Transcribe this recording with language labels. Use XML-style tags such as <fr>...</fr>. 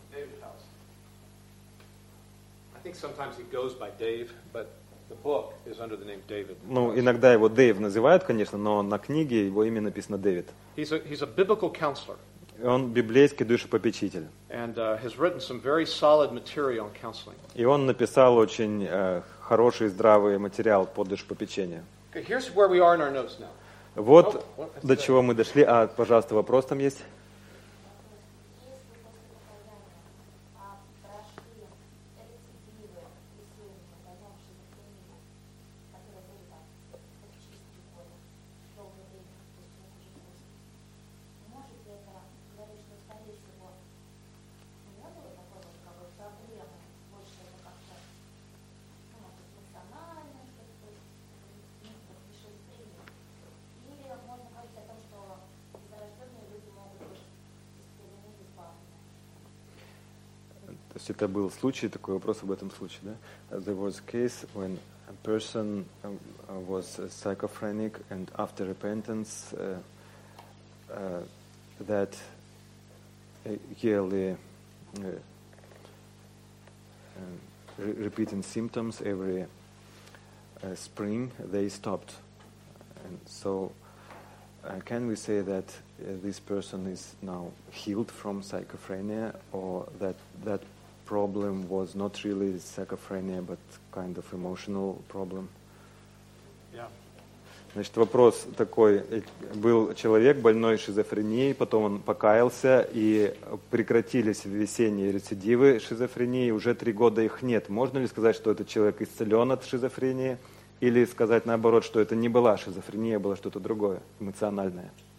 <en>I think sometimes he goes by Dave, but the book is under the name David.</en> <ru>Ну, иногда его Дэйв называют, конечно, но на книге его имя написано Дэвид.</ru> <en>He's a biblical counselor.</en> <ru>Он библейский душепопечитель.</ru> <en>And has written some very solid material on counseling.</en> <ru>И он написал очень хороший, здравый материал по душепопечению.</ru> <en>Okay, here's where we are in our notes now.</en> <ru>Вот до чего мы дошли. А, пожалуйста, вопрос там есть? То есть это был случай, такой вопрос об этом случае, да?</ru> <en>There was a case when a person was psychophrenic and after repentance that yearly repeating symptoms every spring, they stopped. And so can we say that this person is now healed from psychophrenia, or that problem was not really psychophrenia, but kind of emotional problem. Yeah.</en> <ru>Значит, вопрос такой. Был человек больной шизофренией, потом он покаялся, и прекратились весенние рецидивы шизофрении, уже 3 года их нет. Можно ли сказать, что этот человек исцелен от шизофрении, или сказать наоборот, что это не была шизофрения, а было что-то другое, эмоциональное?</ru>